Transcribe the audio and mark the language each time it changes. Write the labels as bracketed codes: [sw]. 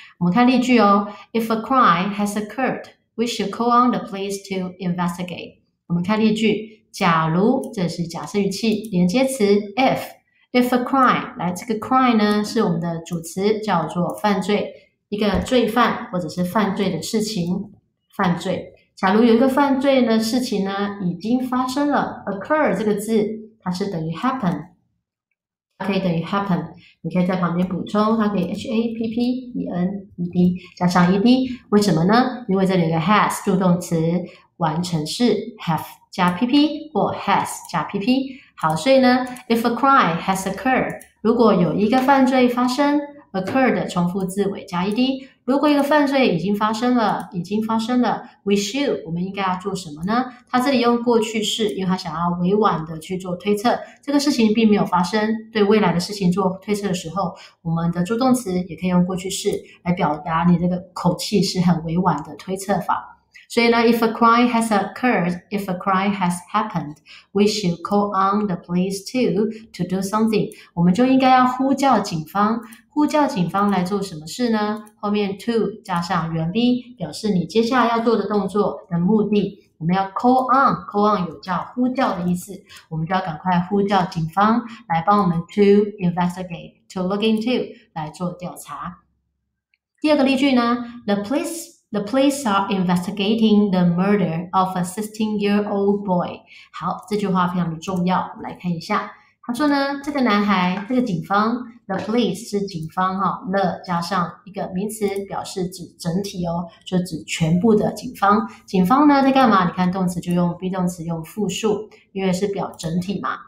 [zh] 我们看例句哦， [en] If a crime has occurred, we should call on the police to investigate。 [zh] 我们看例句，假如这是假设语气，连接词 if。 If a crime，来这个 crime 呢，是我们的主词，叫做犯罪，一个罪犯或者是犯罪的事情，犯罪。假如有一个犯罪的事情呢，已经发生了，occur 这个字，它是等于 happen，可以等于 happen，你可以在旁边补充，它可以 happen，ed 加上 ed，为什么呢？因为这里有个 has 助动词，完成式 have 加 pp 或 has 加 pp。好，所以呢， [en] if a crime has occurred， [zh] 如果有一个犯罪发生，occurred 重复字尾加 ed，如果一个犯罪已经发生了，已经发生了， [en] we should [zh] 我们应该要做什么呢？他这里用过去式，因为他想要委婉的去做推测，这个事情并没有发生。对未来的事情做推测的时候，我们的助动词也可以用过去式来表达你这个口气是很委婉的推测法。所以呢， [en] if a crime has occurred, if a crime has happened, we should call on the police to do something。 [zh] 我们就应该要呼叫警方，呼叫警方来做什么事呢？后面 to 加上原 V，表示你接下来要做的动作的目的。我们要 call on 有叫呼叫的意思，我们就要赶快呼叫警方来帮我们 [en] to investigate, to look into [zh] 来做调查。第二个例句呢，the police。 [en] The police are investigating the murder of a 16-year-old boy。 [zh] 好，这句话非常的重要，我们来看一下。他说呢，这个男孩，这个警方，the police 是警方哈，the 加上一个名词，表示指整体哦，就指全部的警方。警方呢在干嘛？你看动词就用 be 动词，用复数，因为是表整体嘛。